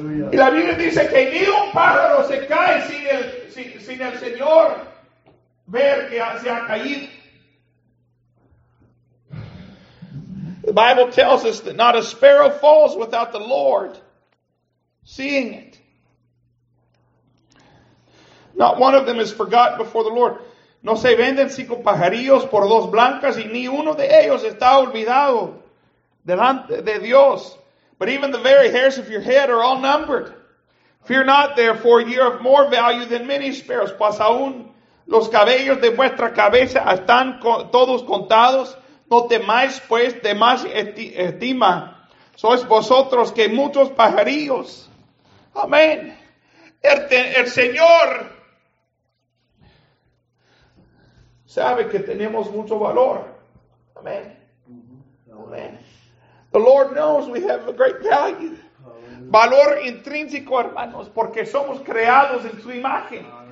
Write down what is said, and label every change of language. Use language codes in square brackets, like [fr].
[es] Y la Biblia dice que ni un pájaro se cae sin el Señor ver que se ha caído. [en] The Bible tells us that not a sparrow falls without the Lord seeing it. Not one of them is forgotten before the Lord. [es] No se venden cinco pajarillos por dos blancas y ni uno de ellos está olvidado delante de Dios. [en] But even the very hairs of your head are all numbered. Fear not, therefore, ye are of more value than many sparrows. [es] Pues aún los cabellos de vuestra cabeza están todos contados. No temáis, pues, de más estima. Sois vosotros que muchos pajarillos. Amén. El Señor sabe que tenemos mucho valor. Amén. Amén. [en] The Lord knows we have a great value. [es] Valor intrínseco, hermanos, porque somos creados en su imagen.